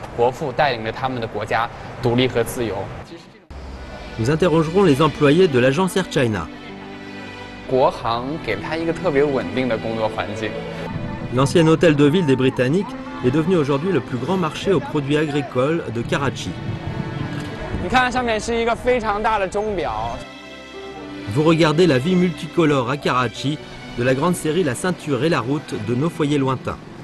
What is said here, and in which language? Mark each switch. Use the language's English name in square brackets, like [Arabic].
[Chinese] 当地人对于甄大先生的感情有点类似于中国人对于毛主席。来到这儿，我今天走了一圈，看到很多当地人来到甄大墓，他们在瞻仰，他们在崇敬着这位伟大的国父。我忽然间想到，人们来这边或多或少都是带着一种感激之情的。他们感谢现在所拥有的一切，感谢现在生活。同样非常感谢当年这位伟大的国父带领着他们的国家独立和自由。 [French] Nous interrogerons les employés de l'agence Air China. [Chinese] 国航给他一个特别稳定的工作环境。 [French] L'ancien hôtel de ville des Britanniques est devenu aujourd'hui le plus grand marché aux produits agricoles de Karachi. Vous regardez la vie multicolore à Karachi de la grande série La ceinture et la route de nos foyers lointains.